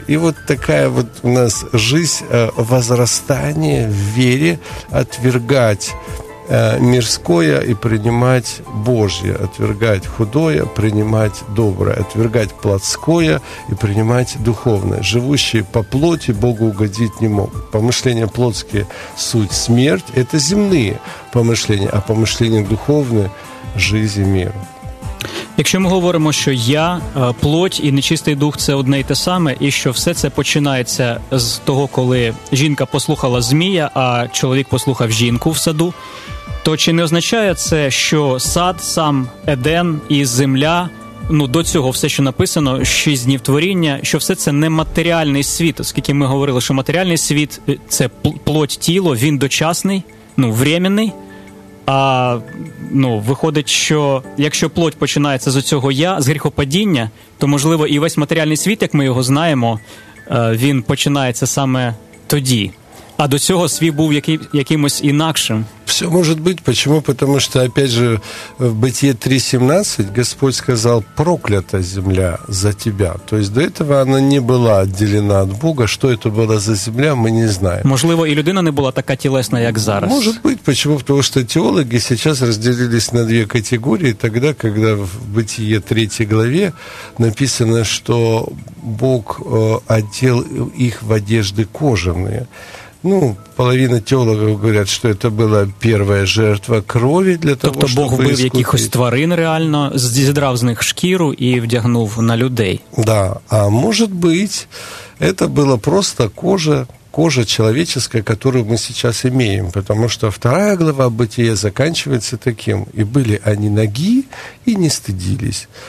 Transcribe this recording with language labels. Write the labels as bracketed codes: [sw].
[ru] И вот такая вот у нас жизнь, возрастание в вере, отвергать мирское и принимать Божье, отвергать худое, принимать доброе, отвергать плотское и принимать духовное. Живущие по плоти Богу угодить не могут. Помышления плотские – суть смерть. Это земные помышления, а помышления духовные – жизнь и мир. [uk] Якщо ми говоримо, що я, плоть і нечистий дух – це одне й те саме, і що все це починається з того, коли жінка послухала змія, а чоловік послухав жінку в саду, то чи не означає це, що сад, сам Еден і земля, ну, до цього все, що написано, шість днів творіння, що все це не матеріальний світ, оскільки ми говорили, що матеріальний світ – це плоть, тіло, він дочасний, ну, временний, а, ну, виходить, що якщо плоть починається з цього «я», з гріхопадіння, то, можливо, і весь матеріальний світ, як ми його знаємо, він починається саме тоді. А до цього свій був якимось інакшим. Все може бути. Почому? Тому що, [ru] опять же, [uk] в Бытие 3.17 Господь сказав: [ru] «Проклята земля за тебя». [uk] Тобто до цього вона не була відділена від Бога. Що це було за земля, ми не знаємо. Можливо, і людина не була така тілесна, як зараз. Може бути. Чому? Тому що теологи зараз розділилися на дві категорії. Тоді, коли в Бытие 3 главі написано, що Бог одел їх в [ru] одежди кожаные. Ну, половина теологов говорят, что это была первая жертва крови для того, чтобы искупить. [uk] Тобто Бог вбив якихось тварин реально, зідрав з них шкіру і вдягнув на людей. [ru] Да, а может быть, это была просто кожа, кожа человеческая, которую мы сейчас имеем. Потому что вторая глава Бытия заканчивается таким: «И были они наги и не стыдились».